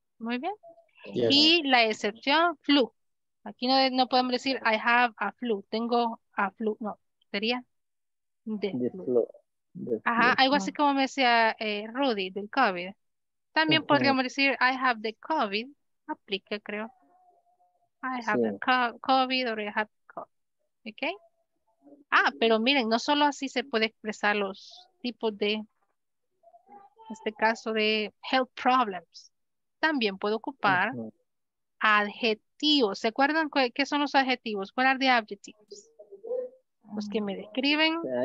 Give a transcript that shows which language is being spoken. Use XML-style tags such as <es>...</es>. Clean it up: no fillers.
<es>Muy bien. Yes. Y la excepción, flu. Aquí no, no podemos decir</es> <en>I have a flu.</en> <es>Tengo a flu. No, sería</es> <en>the flu. The flu.</en> <es>Ajá, algo así como me decía Rudy del COVID. También podríamos decir</es> <en>I have the COVID.</en> <es>Aplique, creo.</es> <en>I have the COVID or I have the COVID. ¿Ok?</en> <es>Ah, pero miren, no solo así se puede expresar los tipos de, en este caso, de health problems. También puedo ocupar adjetivos. ¿Se acuerdan qué son los adjetivos? ¿Cuáles son los adjetivos? Los que me describen.</es>